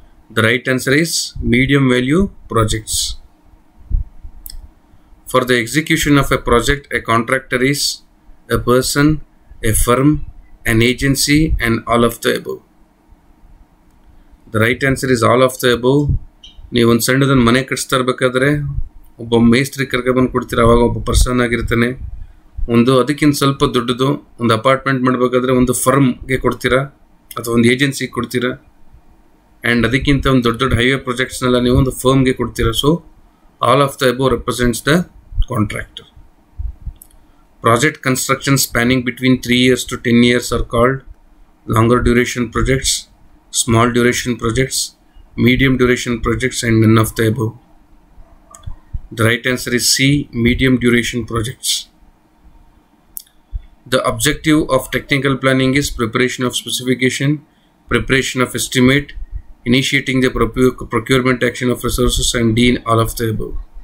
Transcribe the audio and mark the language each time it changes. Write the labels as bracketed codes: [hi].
[en] The right answer is medium value projects. For the execution of a project, a contractor is a person, a firm, an agency, and all of the above. The right answer is all of the above. [kn] ನೀವು ಒಂದು ಸಣ್ಣದನ್ನು ಮನೆ ಕಟ್ಟಿಸ್ತಾ ಇರಬೇಕಾದ್ರೆ ಒಬ್ಬ ಮೇಸ್ತ್ರಿ ಕರ್ಕೊ ಬಂದು ಕೊಡ್ತೀರ, ಅವಾಗ ಒಬ್ಬ ಪರ್ಸನ್ ಆಗಿರ್ತಾನೆ. ಒಂದು ಅದಕ್ಕಿಂತ ಸ್ವಲ್ಪ ದೊಡ್ಡದು ಒಂದು ಅಪಾರ್ಟ್ಮೆಂಟ್ ಮಾಡಬೇಕಾದ್ರೆ ಒಂದು ಫರ್ಮ್ಗೆ ಕೊಡ್ತೀರಾ ಅಥವಾ ಒಂದು ಏಜೆನ್ಸಿಗೆ ಕೊಡ್ತೀರಾ, ಆ್ಯಂಡ್ ಅದಕ್ಕಿಂತ ಒಂದು ದೊಡ್ಡ ದೊಡ್ಡ ಹೈವೇ ಪ್ರಾಜೆಕ್ಟ್ಸ್ನೆಲ್ಲ ನೀವು ಒಂದು ಫರ್ಮ್ಗೆ ಕೊಡ್ತೀರಾ. [en] So all of the above represents the contractor. Project construction spanning between 3 years to 10 years are called longer duration projects, small duration projects, medium duration projects, and none of the above. The right answer is C, medium duration projects. The objective of technical planning is preparation of specification, preparation of estimate, initiating the procurement action of resources, and D, all of the above.